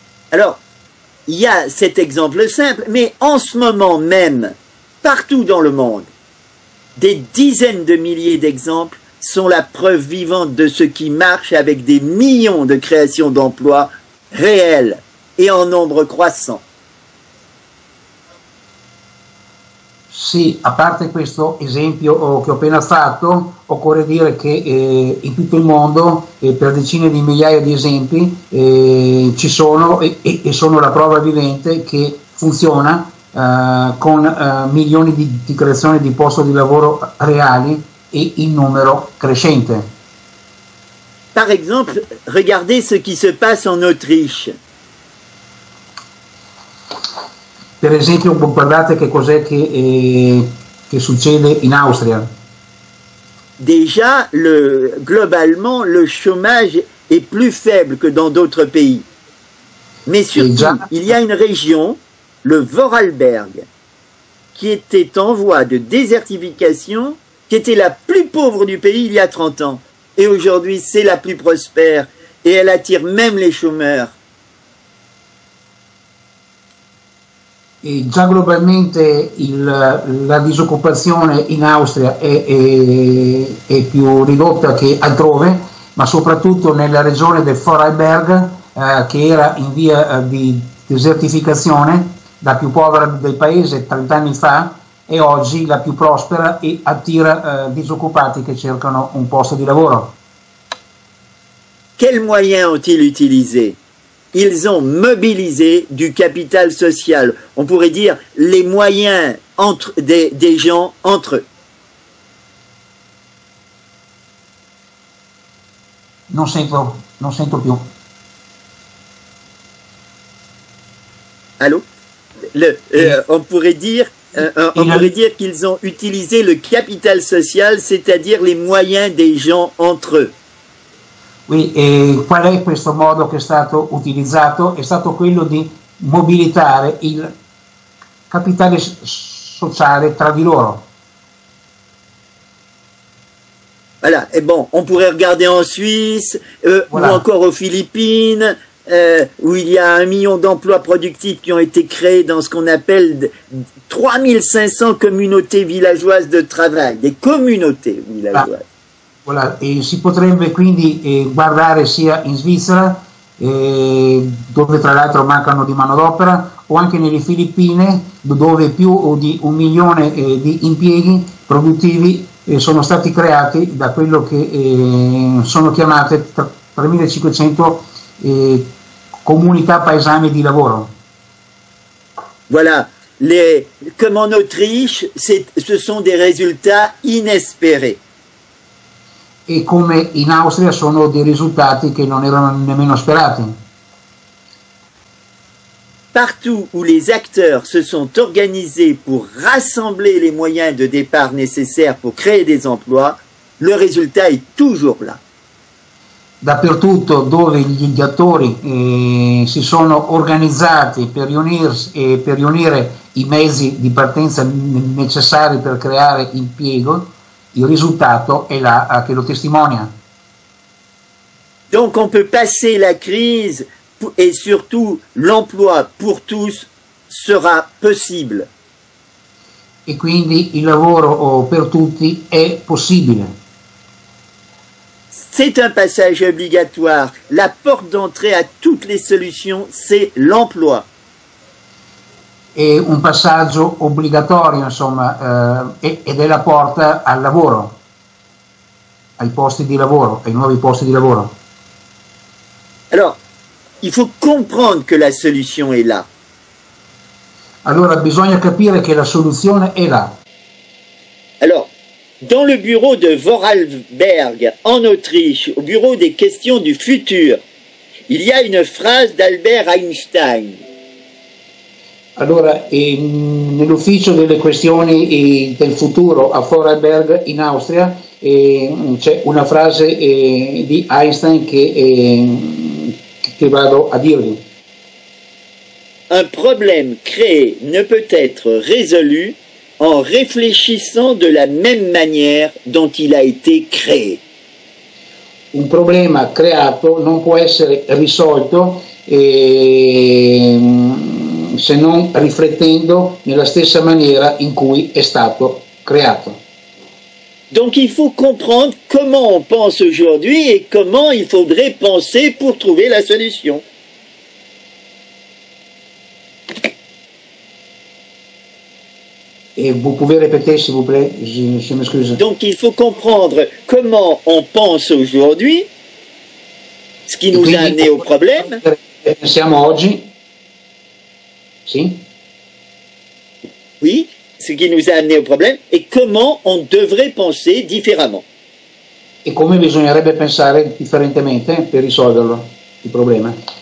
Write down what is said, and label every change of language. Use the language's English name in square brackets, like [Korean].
[French] Alors, il y a cet exemple simple, mais en ce moment même, partout dans le monde, des dizaines de milliers d'exemples sont la preuve vivante de ce qui marche avec des millions de créations d'emplois réels et en nombre croissant. [Italian] Sì, a parte questo esempio che ho appena fatto, occorre dire che in tutto il mondo, per decine di migliaia di esempi, ci sono e sono la prova vivente che funziona con milioni di creazioni di posti di lavoro reali et in numero crescente. [French] Par exemple, regardez ce qui se passe en Autriche. [Italian] Per esempio, guardate che cos'è che succede in Austria. [French] Déjà, globalement, le chômage est plus faible que dans d'autres pays. Mais surtout, déjà, il y a une région, le Vorarlberg, qui était en voie de désertification, qui était la plus pauvre du pays il y a 30 ans. Et aujourd'hui, c'est la plus prospère. Et elle attire même les chômeurs. [Italian] Et già globalmente, la disoccupazione in Austria è più ridotta che altrove, ma soprattutto nella regione del Vorarlberg, che era in via di desertificazione, la più povera del paese 30 anni fa, e oggi la più prospera e attira disoccupati che cercano un posto di lavoro. [French] Quel moyen ont-ils utilisé? Ils ont mobilisé du capital social, on pourrait dire les moyens entre des gens entre eux. [Italian] Non sento più. [French] Allô? On pourrait dire qu'ils ont utilisé le capital social, c'est-à-dire les moyens des gens entre eux. [Italian] Quindi, qual è questo modo che è stato utilizzato? È stato quello di mobilitare il capitale sociale tra di loro. [French] Voilà, et bon, on pourrait regarder en Suisse, voilà. Ou encore aux Philippines, où il y a 1 million d'emplois productifs qui ont été créés dans ce qu'on appelle 3500 communautés villageoises de travail, des communautés villageoises. Voilà, voilà. [Italian] Et si potrebbe quindi guardare sia in Svizzera, dove tra l'altro mancano di manodopera, o anche nelle Filippine, dove più di 1 milione di impieghi produttivi sono stati creati da quello che sono chiamate 3500 comunità paesane di lavoro. [French] Voilà, come in Autriche, ce sont des résultats inespérés. [Italian] E come in Austria sono dei risultati che non erano nemmeno sperati. [French] Partout où les acteurs se sont organisés pour rassembler les moyens de départ nécessaires pour créer des emplois, le résultat est toujours là. [Italian] Dappertutto dove gli attori si sono organizzati per riunirsi e per riunire i mezzi di partenza necessari per creare impiego, il risultato è là che lo testimonia. [French] Donc on peut passer la crise. Et surtout, l'emploi pour tous sera possible. [Italian] Et quindi il lavoro per tutti è possibile. [French] C'est un passage obligatoire. La porte d'entrée à toutes les solutions, c'est l'emploi. [Italian] È un passaggio obbligatorio, insomma, ed è la porta al lavoro, ai posti di lavoro, ai nuovi posti di lavoro. [French] Alors, il faut comprendre que la solution est là. [Italian] Allora bisogna capire che la soluzione è là. [French] Alors, dans le bureau de Vorarlberg en Autriche, au bureau des questions du futur, il y a une phrase d'Albert Einstein. [Italian] Allora, nell'ufficio delle questioni del futuro a Vorarlberg in Austria, c'è una frase di Einstein che che vado a dirvi. [French] Un problème créé ne peut être résolu en réfléchissant de la même manière dont il a été créé. [Italian] Un problema creato non può essere risolto se non riflettendo nella stessa maniera in cui è stato creato. [French] Donc il faut comprendre comment on pense aujourd'hui et comment il faudrait penser pour trouver la solution. Et vous pouvez répéter s'il vous plaît, je m'excuse. Donc il faut comprendre comment on pense aujourd'hui, ce qui nous a amené au problème. [Italian] Pensiamo oggi. Si. [French] Oui. Ce qui nous a amené au problème et comment on devrait penser différemment. [Italian] Et comment bisognerebbe pensare differentemente per risolverlo il problema.